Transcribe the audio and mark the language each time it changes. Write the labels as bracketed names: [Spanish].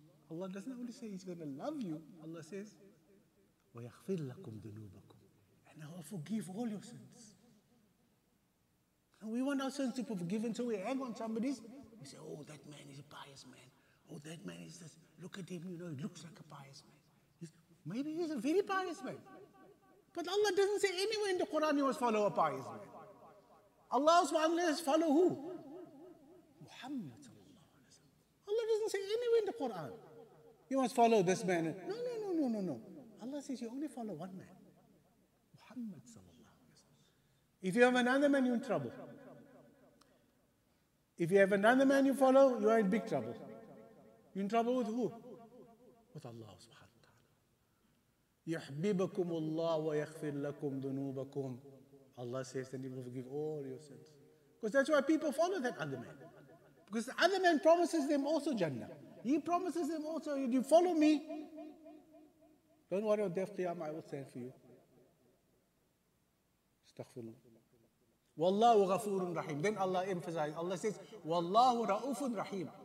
[English] Allah doesn't only say He's going to love you. Allah says, [Arabic] وَيَغْفِرْ لَكُمْ ذُنُوبَكُمْ. [English] And I will forgive all your sins. And we want our sins to be forgiven, so we hang on somebody's. We say, oh, that man is a pious man. Oh, that man is this. Look at him, you know, he looks like a pious man. Maybe he's a very pious man. But Allah doesn't say anywhere in the Quran you must follow a pious man. Allah says, follow who? Muhammad. Allah doesn't say anywhere in the Quran, you must follow this man. No. Allah says you only follow one man, Muhammad [Arabic] sallallahu alaihi wasallam. [English] If you have another man, you're in trouble. If you have another man you follow, you are in big trouble. You're in trouble with who? With Allah [Arabic] subhanahu wa ta'ala. يحببكم الله ويغفر لكم ذنوبكم. [English] Allah says that He will forgive all your sins. Because that's why people follow that other man. Because the other man promises them also Jannah. He promises them also, if you follow me, don't worry on death, Qiyamah, I will stand for you. [Arabic] Astaghfirullah. Wallahu ghafurun rahim. [English] Then Allah emphasizes, Allah says, [Arabic] Wallahu ra'ufun rahim.